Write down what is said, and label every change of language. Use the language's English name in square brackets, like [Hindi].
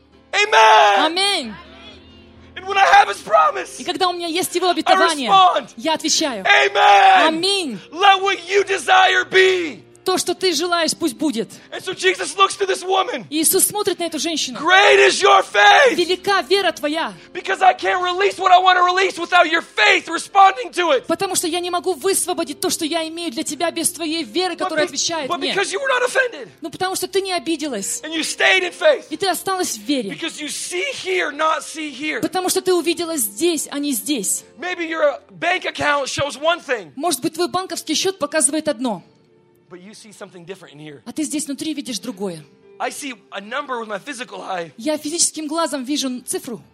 [English] Amen. Amen. And when I have His promise, [Russian] и когда у меня есть Его обетование, я отвечаю. [English] Amen. Amen. Let what you desire be. [Russian] То, что ты желаешь, пусть будет. [English] And so Jesus looks to this woman. [Russian] Иисус смотрит на эту женщину. [English] Great is your faith. [Russian] Велика вера твоя. [English] Because I can't release what I want to release without your faith responding to it. [Russian] Потому что я не могу высвободить то, что я имею для тебя без твоей веры, которая отвечает мне. [English] But because you were not offended. [Russian] Но потому что ты не обиделась. [English] And you stayed in faith. [Russian] И ты осталась в вере. [English] Because you see here, not see here. [Russian] Потому что ты увидела здесь, а не здесь. [English] Maybe your bank account shows one thing. [Russian] Может быть, твой банковский счет показывает одно. [English] But you see something different in here. [Russian] А ты здесь внутри видишь другое. [English] I see a number with my physical eye. [Russian] Я физическим глазом вижу цифру.